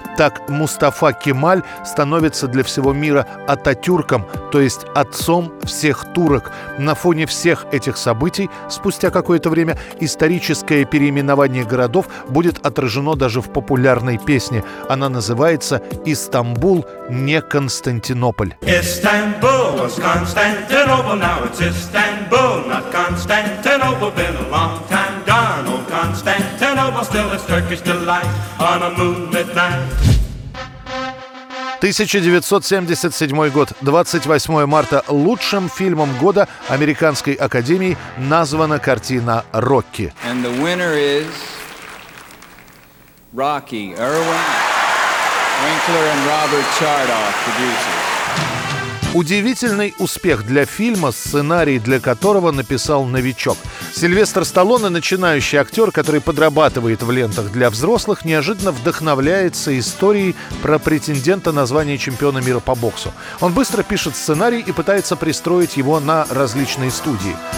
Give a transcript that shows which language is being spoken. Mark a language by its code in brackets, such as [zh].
[ru] Так Мустафа Кемаль становится для всего мира Ататюрком, то есть отцом всех турок. На фоне всех этих событий спустя какое-то время историческое переименование городов будет отражено даже в популярной песне. Она называется «Истанбул, не Константинополь». [en] Istanbul was Constantinople, now it's Istanbul, not Constantinople. Been a long time gone, old Constantinople, still is Turkish delight on a moonlit night. [ru] 1977 год, 28 марта. Лучшим фильмом года Американской академии названа картина «Рокки». [en] And the winner is Rocky Irwin. Winkler and Robert Chardoff, producers. [ru] Удивительный успех для фильма, сценарий для которого написал новичок. Сильвестр Сталлоне, начинающий актер, который подрабатывает в лентах для взрослых, неожиданно вдохновляется историей про претендента на звание чемпиона мира по боксу. Он быстро пишет сценарий и пытается пристроить его на различные студии.